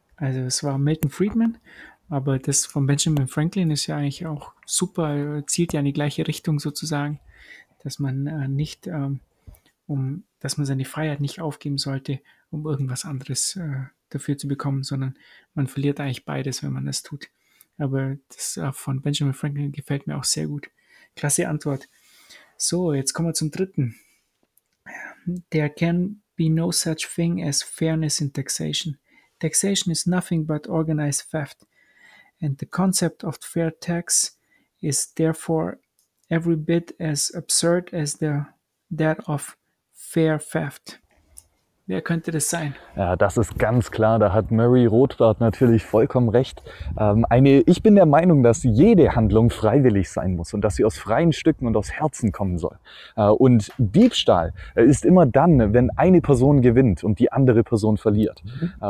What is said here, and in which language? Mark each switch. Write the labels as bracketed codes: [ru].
[de] Also es war Milton Friedman, aber das von Benjamin Franklin ist ja eigentlich auch super, zielt ja in die gleiche Richtung sozusagen, dass man nicht, dass man seine Freiheit nicht aufgeben sollte, um irgendwas anderes dafür zu bekommen, sondern man verliert eigentlich beides, wenn man das tut. Aber das von Benjamin Franklin gefällt mir auch sehr gut. Klasse Antwort. So, jetzt kommen wir zum 3. Der Kern: [en] no such thing as fairness in taxation. Taxation is nothing but organized theft. And the concept of fair tax is therefore every bit as absurd as that of fair theft. [de] Wer könnte das sein? Ja, das ist ganz klar. Da hat Murray Rothbard natürlich vollkommen recht. Ich bin der Meinung, dass jede Handlung freiwillig sein muss und dass sie aus freien Stücken und aus Herzen kommen soll. Und Diebstahl ist immer dann, wenn eine Person gewinnt und die andere Person verliert. Mhm.